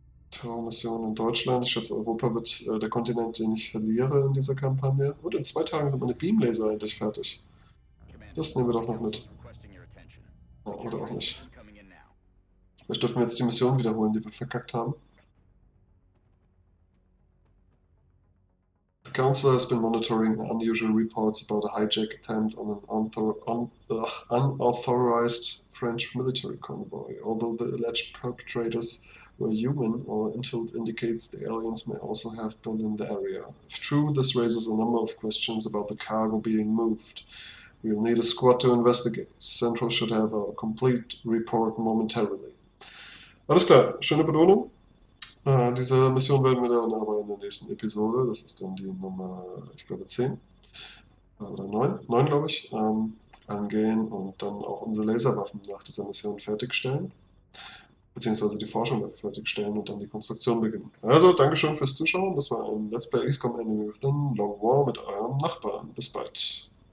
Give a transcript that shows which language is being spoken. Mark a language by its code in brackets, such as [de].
[de] Terrormission in Deutschland. Ich schätze, Europa wird der Kontinent, den ich verliere in dieser Kampagne. Und in 2 Tagen sind meine Beamlaser endlich fertig. Das nehmen wir doch noch mit. Ja, oder auch nicht. Vielleicht dürfen wir jetzt die Mission wiederholen, die wir verkackt haben. [en] The Council has been monitoring unusual reports about a hijack attempt on an unauthorized French military convoy. Although the alleged perpetrators were human, our intel indicates the aliens may also have been in the area. If true, this raises a number of questions about the cargo being moved. We'll need a squad to investigate. Central should have a complete report momentarily. [de] Alles klar, schöne Belohnung. Diese Mission werden wir dann aber in der nächsten Episode, das ist dann die Nummer, ich glaube, 10 oder 9, 9 glaube ich, angehen und dann auch unsere Laserwaffen nach dieser Mission fertigstellen. Beziehungsweise die Forschung dafür fertigstellen und dann die Konstruktion beginnen. Also, Dankeschön fürs Zuschauen. Das war ein Let's Play XCOM Enemy Within Long War mit eurem Nachbarn. Bis bald.